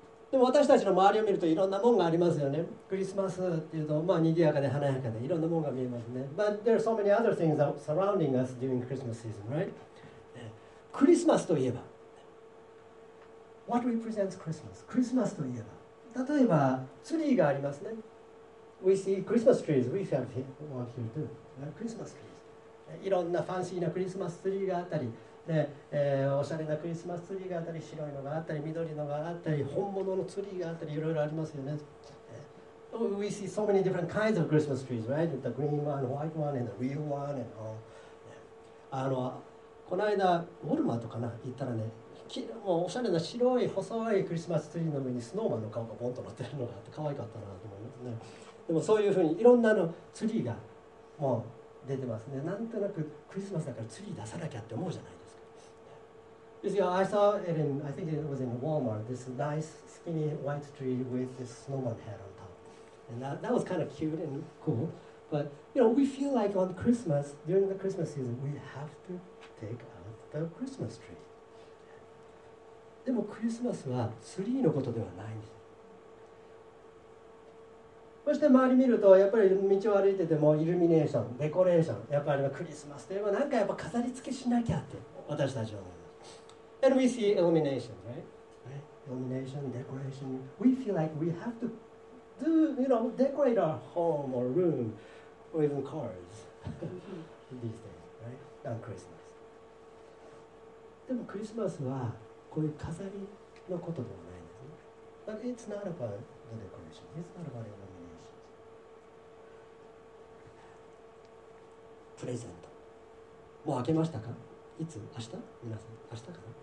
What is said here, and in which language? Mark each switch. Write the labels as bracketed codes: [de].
[ja] でも私たちの周りを見るといろんなものがありますよね。クリスマスっていうとまあ賑やかで華やかでいろんなものが見えますね。 [en] But there are so many other things surrounding us during Christmas season, right? [ja] クリスマスといえば、 [en] What represents Christmas? [ja] クリスマスといえば、例えばツリーがありますね。 [en] We see Christmas trees. We have one here too. Christmas trees. [ja] いろんなファンシーなクリスマスツリーがあったり。で、おしゃれなクリスマスツリーがあったり、白いのがあったり、緑のがあったり、本物のツリーがあったり、いろいろありますよね。 [en] We see so many different kinds of Christmas trees, right? The green one, white one, and the real one, and all. [ja] あの、この間、ウォルマートかな、行ったらね、もうおしゃれな白い細いクリスマスツリーの上にスノーマンの顔がボンと乗ってるのがあって、可愛かったなと思いますね。でもそういうふうにいろんなのツリーがもう出てますね。なんとなくクリスマスだからツリー出さなきゃって思うじゃないですか。 [en] You see, I saw it in, I think it was in Walmart, this nice skinny white tree with this snowman head on top. And that was kind of cute and cool. But, you know, we feel like on Christmas, during the Christmas season, we have to take out the Christmas tree. [ja] でもクリスマスはツリーのことではないんです。そして周り見るとやっぱり道を歩いててもイルミネーション、デコレーション、やっぱりクリスマスといえばなんかやっぱ飾り付けしなきゃって私たちは。 [en] And we see illumination, right? Illumination, decoration. We feel like we have to do, you know, decorate our home or room or even cars these days, right? On Christmas. [ja] でもクリスマスはこういう飾りのことではないんですね。 [en] But it's not about the decoration. It's not about illumination. [ja] プレゼント。もう開けましたか？いつ？明日？皆さん、明日かな？